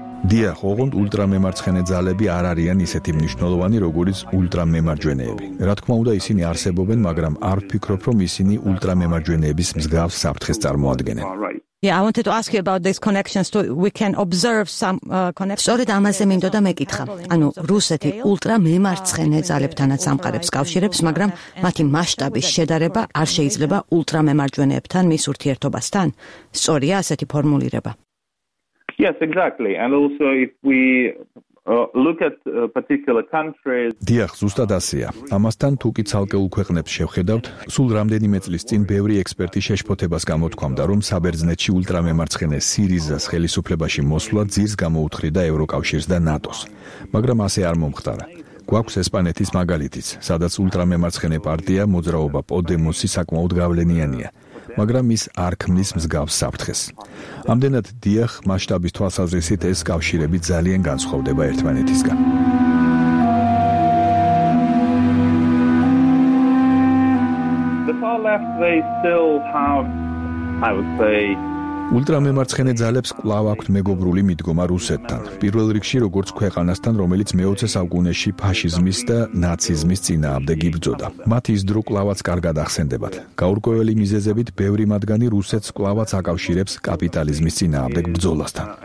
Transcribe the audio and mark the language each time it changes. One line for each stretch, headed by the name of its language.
Georgian: დიახ, ოღონდ ულტრამემარცხენე ძალები არ არიან ისეთი მნიშვნელოვანი, როგორიც ულტრამემარჯვენეები. რა თქმა უნდა, ისინი არსებობენ, მაგრამ არ ფიქრობ, რომ ისინი ულტრამემარჯვენეების მსგავს საფრთხეს წარმოადგენენ.
English: Yeah, I wanted to ask you about these connections to we can observe some connections.
Georgian: Სწორედ ამაზე მინდოდა მეკითხა. ანუ რუსეთი ულტრამემარცხენე ძალებთანაც ამყარებს კავშირებს, მაგრამ მათი მასშტაბის შედარება არ შეიძლება ულტრამემარჯვენეებთან მის ურთიერთობასთან. Სწორია ასეთი ფორმულირება.
English: Yes, exactly. And also if we Look at particular countries.
Georgian: Დიახ, ზუსტად ასეა. ამასთან თუ კი ცალკეულ ქვეყნებს შევხედავთ, სულ რამდენიმე წლის წინ ბევრი ექსპერტი შეშფოთებას გამოთქვამდა, რომ საბერძნეთში ультрамემარცხენე სირიზას ხელისუფლებაში მოსვლა ძირს გამოუთხრიდა ევროკავშირს და ნატოს. მაგრამ ასე არ მომხდარა. გვაქვს ესპანეთის მაგალითიც, სადაც ультрамემარცხენე პარტია მოძრაობა პოდემოსი საკმაოდ გავლენიანია. მაგრამ ის არ ქმნის მსგავს საფრთხეს. ამდენად დიახ, მასშტაბის თვალსაზრისით ეს კავშირები ძალიან განსხვავდება ერთმანეთისგან.
English: The far left, they still have, I would say,
Georgian: ультрамემარცხენე ძალებს კვლავ აქვთ მეგობრული მიდგომა რუსეთთან. პირველ რიგში როგორც ქვეყანასთან, რომელიც მე-20 საუკუნეში ფაშიზმის და ნაციზმის წინააღმდეგ იბრძოდა. მათ ის დრო კვლავაც კარგად ახსენდებათ. გაურკვეველი მიზეზებით ბევრი მათგანი რუსეთს კვლავაც აკავშირებს კაპიტალიზმის წინააღმდეგ ბრძოლასთან.